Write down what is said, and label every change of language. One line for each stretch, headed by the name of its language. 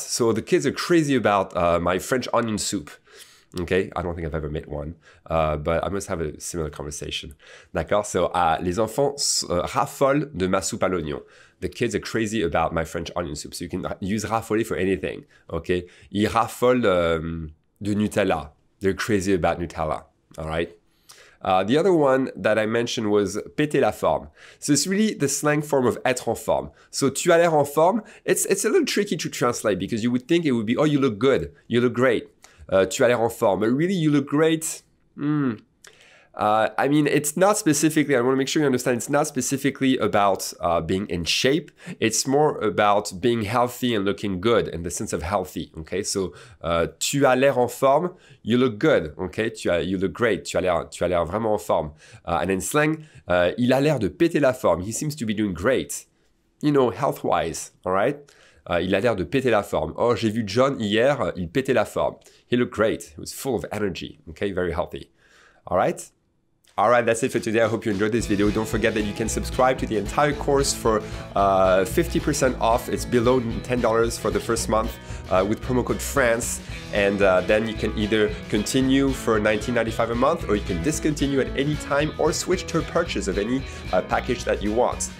English: So the kids are crazy about my French onion soup. Okay, I don't think I've ever made one, but I must have a similar conversation.
French: D'accord? So, les enfants raffolent de ma soupe à l'oignon.
English: The kids are crazy about my French onion soup. So you can use raffoler for anything.
French: Okay? Ils raffolent de Nutella.
English: They're crazy about Nutella. All right? The other one that I mentioned was
French: péter la forme.
English: So it's really the slang form of
French: être en forme.
English: So
French: tu as l'air en forme.
English: It's a little tricky to translate because you would think it would be, oh, you look good. You look great. Tu as l'air en forme. But really, you look great. I mean, it's not specifically, I want to make sure you understand, it's not specifically about being in shape. It's more about being healthy and looking good in the sense of healthy, okay?
French: So, tu as l'air en forme,
English: you look good, okay? You look great,
French: tu as l'air vraiment en forme.
English: And in slang,
French: il a l'air de péter la forme.
English: He seems to be doing great, you know, health-wise, all right?
French: Il a l'air de péter la forme. Oh, j'ai vu John hier, il pétait la forme.
English: He looked great. He was full of energy. Okay, very healthy. All right? All right, that's it for today. I hope you enjoyed this video. Don't forget that you can subscribe to the entire course for 50% off. It's below $10 for the first month with promo code France. And then you can either continue for $19.95 a month or you can discontinue at any time or switch to a purchase of any package that you want.